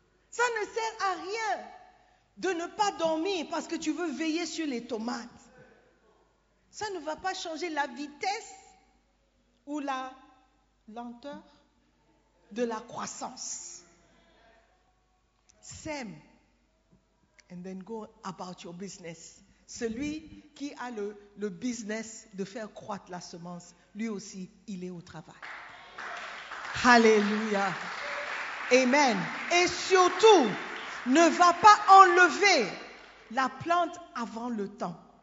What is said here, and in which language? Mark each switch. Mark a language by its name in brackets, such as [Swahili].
[French] Ça ne sert à rien de ne pas dormir parce que tu veux veiller sur les tomates. Ça ne va pas changer la vitesse ou la lenteur de la croissance. [English] Sème and then go about your business. [French] Celui qui a le business de faire croître la semence, lui aussi, il est au travail. Alléluia. Amen. Et surtout, ne va pas enlever la plante avant le temps.